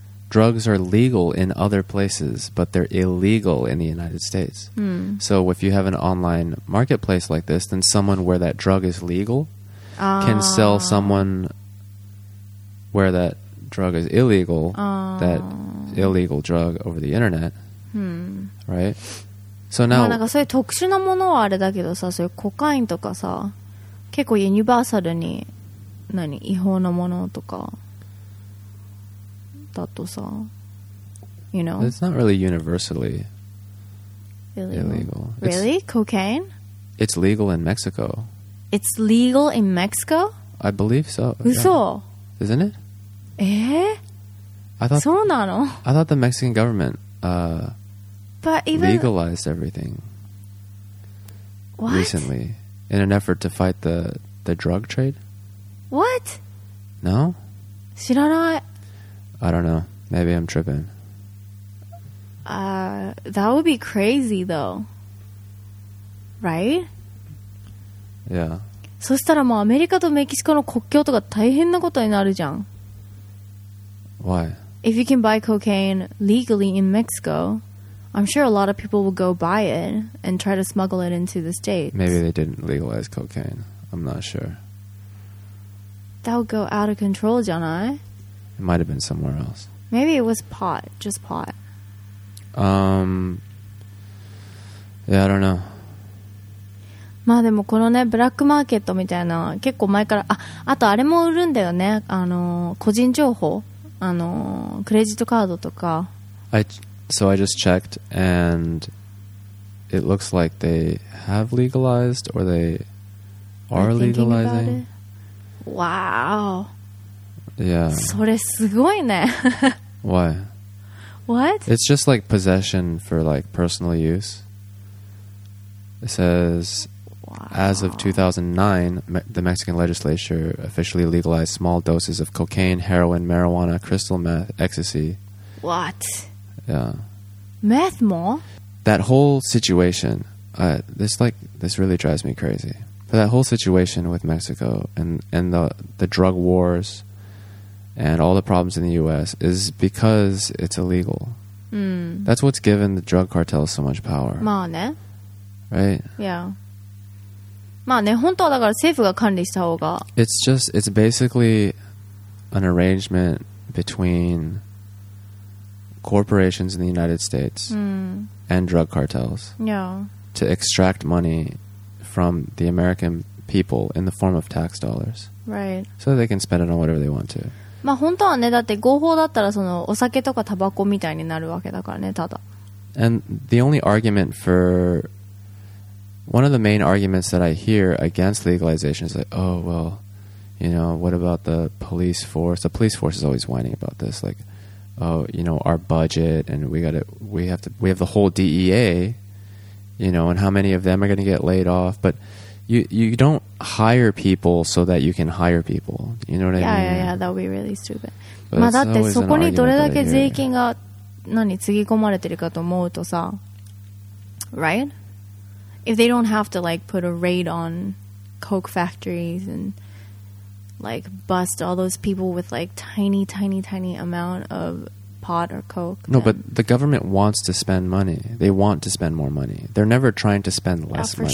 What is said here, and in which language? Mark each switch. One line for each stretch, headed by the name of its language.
English: Drugs are legal in other places, but they're illegal in the United States. So if you have an online marketplace like this, then someone where that drug is legal can sell someone where that drug is illegal, that illegal drug over the internet. Right? So now...
Japanese: まあ、なんかそういう特殊なものはあれだけどさ、そういうコカインとかさ、結構ユニバーサルに何違法なものとか。
English: You know, it's not really universally illegal. Really? Cocaine? It's legal in Mexico. It's legal in Mexico? I believe so.
Japanese: Uso?
English: Yeah. Isn't it? Eh?
Japanese: そうなの?
English: I thought the Mexican government legalized everything what? Recently in an effort to fight the drug trade. What? No?
Japanese: 知らない。
English: I don't know. Maybe I'm tripping. That would be crazy, though. Right? Yeah.
Japanese: そしたらもうアメリカとメキシコの国境とか大変なことになるじゃん。
English: Why? If you can buy cocaine legally in Mexico, I'm sure a lot of people will go buy it and try to smuggle it into the States. Maybe they didn't legalize cocaine. I'm not sure. That would go out of control,
Japanese: じゃない?
English: It might have been somewhere else. Maybe it was pot, just pot. Yeah, I don't know.
Japanese: まあでもこのね、ブラックマーケットみたいな、結構前から、あとあれも売るんだよね、個人情報、クレジットカードとか。
English: I just checked, and it looks like they have legalized, or they are legalizing. Wow. Yeah.
Japanese: それすごいね。
English: Why? What? It's just like possession for like personal use. It says, wow. As of 2009, the Mexican legislature officially legalized small doses of cocaine, heroin, marijuana, crystal meth, ecstasy. What? Yeah. Meth more? That whole situation, this really drives me crazy. But that whole situation with Mexico and the drug wars and all the problems in the U.S. is because it's illegal. Mm. That's what's given the drug cartels so much power.
Japanese: まあね。
English: Right? Yeah.
Japanese: まあね、本当はだから政府が管理した方が。
English: It's basically an arrangement between corporations in the United States and drug cartels. Yeah. To extract money from the American people in the form of tax dollars. Right. So they can spend it on whatever they want to.
Japanese: まあ本当はね、だって合法だったらそのお酒とかタバコみたいになるわけだからね、ただ。
English: And the only argument for one of the main arguments that I hear against legalization is like, oh well, you know, what about the police force? The police force is always whining about this, like, oh, you know, our budget, and we have the whole DEA, you know, and how many of them are going to get laid off? But You don't hire people so that you can hire people. You know what I mean? Yeah, yeah, yeah. That would be really stupid.
Japanese: まあだってそこにどれだけ税金が何つぎ込まれてるかと思うとさ、
English: right? If they don't have to like put a raid on coke factories and like bust all those people with like tiny, tiny, tiny amount of pot or coke. No, but the government wants to spend money. They want to spend more money. They're never trying to spend less money.